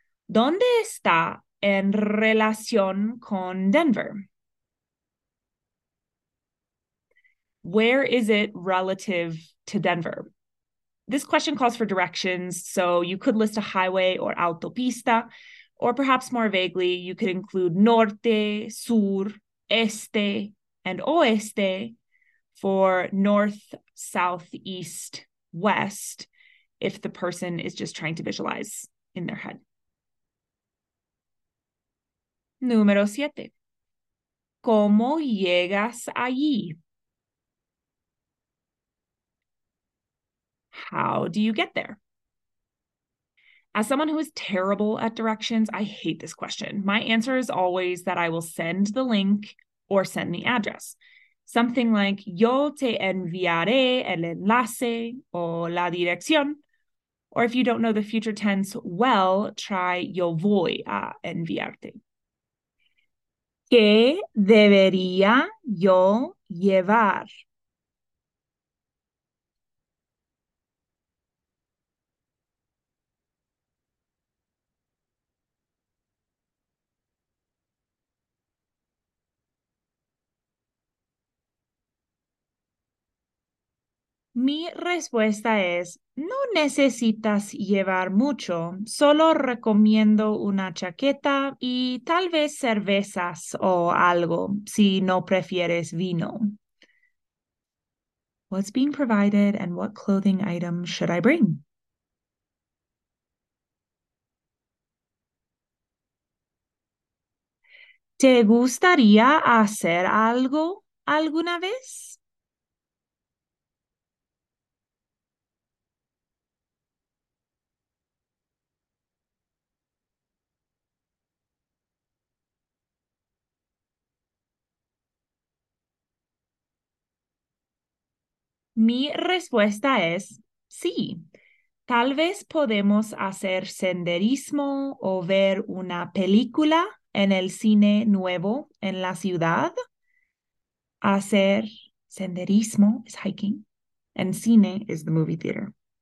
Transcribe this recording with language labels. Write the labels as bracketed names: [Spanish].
[Spanish] ¿Dónde está en relación con Denver? [English] Where is it relative to Denver? This question calls for directions, so you could list a highway or autopista, or perhaps more vaguely, you could include norte, sur, este, and oeste for north, south, east, west, if the person is just trying to visualize in their head. [Spanish] Número siete. ¿Cómo llegas allí? [English] How do you get there? As someone who is terrible at directions, I hate this question. My answer is always that I will send the link or send the address. Something like, [Spanish] yo te enviaré el enlace o la dirección. [English] Or if you don't know the future tense well, try [Spanish] yo voy a enviarte. ¿Qué debería yo llevar? Mi respuesta es, no necesitas llevar mucho, solo recomiendo una chaqueta y tal vez cervezas o algo, si no prefieres vino. [English] What's being provided and what clothing item should I bring? [Spanish] ¿Te gustaría hacer algo alguna vez? Mi respuesta es sí. Tal vez podemos hacer senderismo o ver una película en el cine nuevo en la ciudad. [English] Hacer senderismo is hiking, and cine is the movie theater.